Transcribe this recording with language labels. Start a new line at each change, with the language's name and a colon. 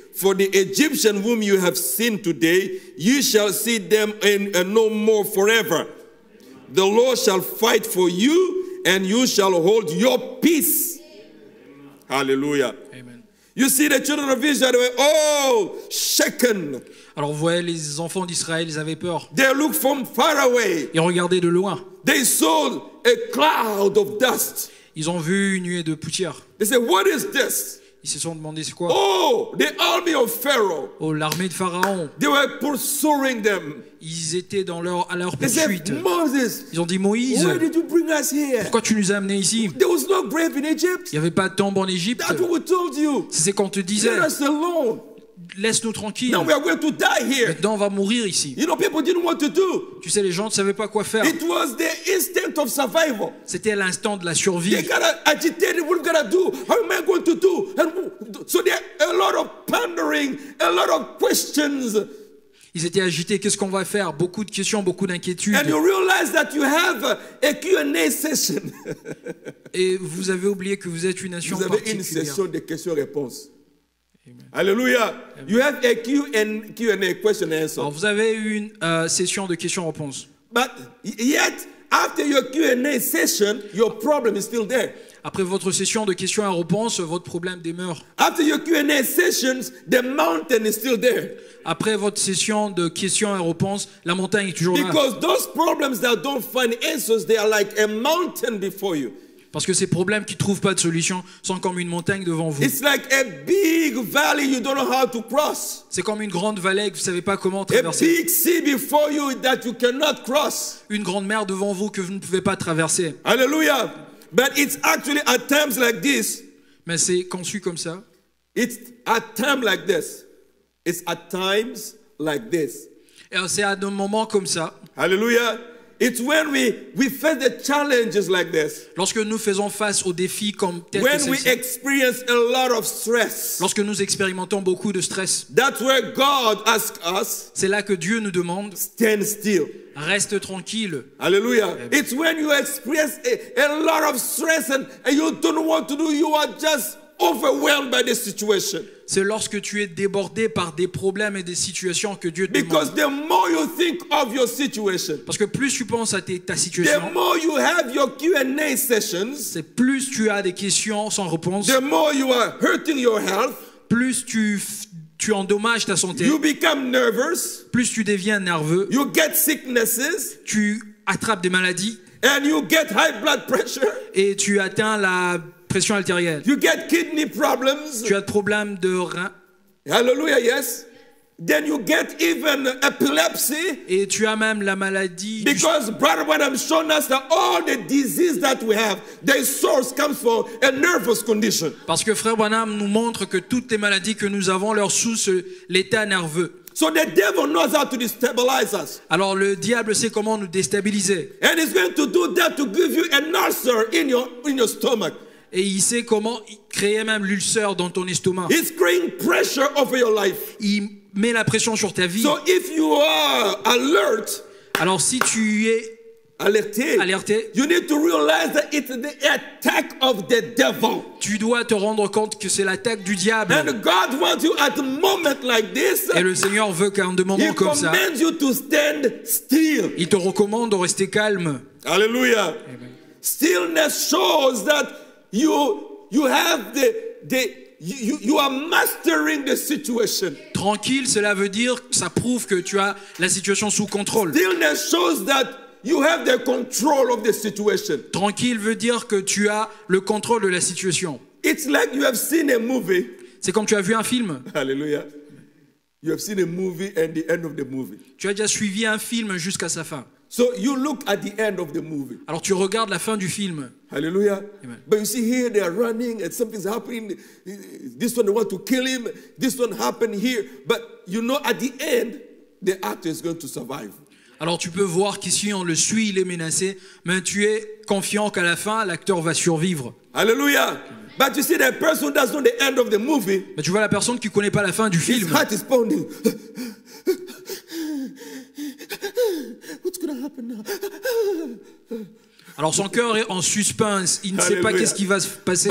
English: For the Egyptian whom you have seen today, you shall see them and no more forever. The Lord shall fight for you, and you shall hold your peace. Amen. Hallelujah. Amen. You see, the children of Israel were all shaken.
French: Alors, voyez, les enfants d'Israël, ils avaient peur.
English: They looked from far away.
French: Ils regardaient de loin.
English: They saw a cloud of dust.
French: Ils ont vu une nuée de poutière.
English: They said, what is this?
French: Ils se sont demandé c'est quoi?
English: Oh, the army of Pharaoh.
French: Oh, l'armée de Pharaon.
English: They were pursuing them.
French: Ils étaient dans leur à leur poursuite.
English: They said, Moses,
French: ils ont dit Moïse.
English: Why did you bring us here?
French: Pourquoi tu nous as amenés ici?
English: There was no grave in Egypt.
French: Il y avait pas de tombe en Égypte.
English: That's what we told you.
French: C'est qu'on te disait.
English: Let us alone.
French: Laisse-nous tranquilles.
English: Now we are going to die here.
French: Maintenant, on va mourir ici.
English: You know, people didn't want to do.
French: Tu sais, les gens ne savaient pas quoi faire.
English: It was the instinct of survival.
French: C'était l'instinct de la survie.
English: They got agitated. What are we going to do? How am I going to do? And so there are a lot of pondering, a lot of questions.
French: Ils étaient agités. Qu'est-ce qu'on va faire? Beaucoup de questions, beaucoup d'inquiétudes.
English: And you realize that you have a Q&A session.
French: Et vous avez oublié que vous êtes une nation particulière. Vous avez une session de questions-réponses. Alléluia.
English: You have a Q&A question and answer.
French: Alors vous avez une session de questions-réponses.
English: But yet after your Q&A session, your problem is still there.
French: Après votre session de questions et réponses, votre problème demeure.
English: After your Q&A sessions, the mountain is still there.
French: Après votre session de questions et réponses, la montagne est toujours là.
English: Because those problems that don't find answers, they are like a mountain before you.
French: Parce que ces problèmes qui ne trouvent pas de solution sont comme une montagne devant vous.
English: It's like a big valley you don't know how to cross.
French: C'est comme une grande vallée que vous ne savez pas comment traverser.
English: A big sea before you that you cannot cross.
French: Une grande mer devant vous que vous ne pouvez pas traverser.
English: Alléluia. But it's actually at times like this.
French: Mais c'est conçu comme ça.
English: It's at times like this. It's at times like this.
French: Et c'est à un moment comme ça. Alléluia.
English: It's when we face the challenges like this.
French: Lorsque nous faisons face aux défis comme tel que celui-ci.
English: When we experience a lot of stress.
French: Lorsque nous expérimentons beaucoup de stress.
English: That's where God asks us.
French: C'est là que Dieu nous demande.
English: Stand still.
French: Reste tranquille. Alléluia.
English: It's when you experience a lot of stress and you don't know what to do. You are just overwhelmed by the situation.
French: C'est lorsque tu es débordé par des problèmes et des situations que Dieu te
English: Because
French: demande.
English: The more you think of your situation,
French: parce que plus tu penses à ta situation,
English: the more you have your Q&A sessions,
French: c'est plus tu as des questions sans réponse,
English: the more you are hurting your health,
French: plus tu endommages ta santé,
English: you become nervous,
French: plus tu deviens nerveux,
English: you get sicknesses,
French: tu attrapes des maladies,
English: and you get high blood pressure,
French: et tu atteins la pression artérielle.
English: You get kidney problems.
French: Tu as des problèmes de rein.
English: Hallelujah, yes. Then you get even epilepsy.
French: Et tu as même la maladie.
English: Because Brother Branham showed us that all the diseases that we have, their source comes from a nervous condition.
French: Parce que Frère Branham nous montre que toutes les maladies que nous avons, leur source, l'état nerveux.
English: So the devil knows how to destabilize us.
French: Alors le diable sait comment nous déstabiliser.
English: And he's going to do that to give you an ulcer in your stomach.
French: Et il sait comment créer même l'ulcère dans ton estomac.
English: He's creating pressure over your life.
French: Il met la pression sur ta vie.
English: So if you are alert,
French: alors si tu es alerté,
English: you need to realize that it's the attack of the devil.
French: Tu dois te rendre compte que c'est l'attaque du diable.
English: And God wants you at a moment like this.
French: Et le Seigneur veut qu'à un moment comme ça,
English: He commands you to stand still.
French: Il te recommande de rester calme. Hallelujah.
English: Stillness shows that you are mastering the situation.
French: Tranquille, cela veut dire, ça prouve que tu as la situation sous contrôle.
English: Stillness shows that you have the control of the situation.
French: Tranquille veut dire que tu as le contrôle de la situation.
English: It's like you have seen a movie.
French: C'est comme tu as vu un film. Hallelujah.
English: You have seen a movie and the end of the movie.
French: Tu as déjà suivi un film jusqu'à sa fin.
English: So you look at the end of the movie.
French: Alors tu regardes la fin du film. Hallelujah. Amen.
English: But you see here they are running and something's happening. This one want to kill him. This one happened here. But you know at the end the actor is going to survive.
French: Alors tu peux voir qu'ici on le suit, il est menacé, mais tu es confiant qu'à la fin l'acteur va survivre. Hallelujah.
English: But you see the person who doesn't know the end of the movie.
French: Mais tu vois la personne qui connaît pas la fin du film.
English: His heart is pounding. What's going to happen now?
French: Alors son cœur est en suspense, il ne sait pas qu'est-ce qui va se passer.